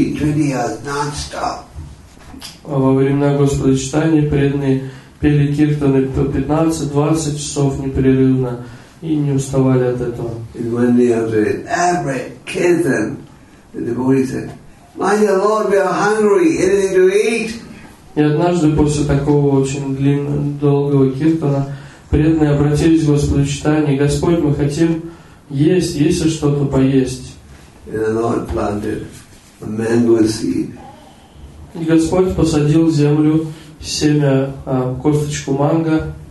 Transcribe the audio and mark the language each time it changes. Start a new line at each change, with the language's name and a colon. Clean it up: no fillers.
Russian: А во времена Господа Читания преданные пели киртаны по 15-20 часов непрерывно. И не уставали от этого.
English: And every kirtan, the devotee said, "My dear Lord, we are hungry. Anything to eat?"
Russian: И однажды после такого очень долгого киртана преданные обратились к Господу Читания: "Господь, мы хотим есть. Есть ли что-то поесть?"
English: And the Lord planted a mango seed.
Russian: И Господь посадил в землю семя косточку манго.